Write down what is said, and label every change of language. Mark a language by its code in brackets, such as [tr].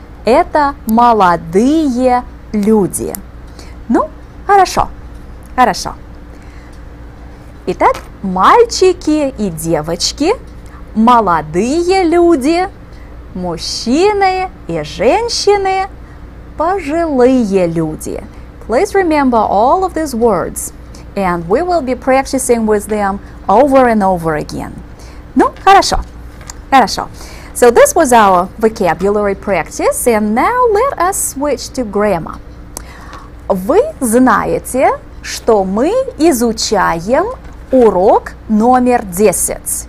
[ru] Это молодые люди. Ну, хорошо. Хорошо. Итак, мальчики и девочки, молодые люди, мужчины и женщины, пожилые люди. [en] Please remember all of these words, and we will be practicing with them over and over again. [ru] Ну, хорошо. Хорошо. [en] So this was our vocabulary practice, and now let us switch to grammar. [ru] Вы знаете, что мы изучаем урок номер 10.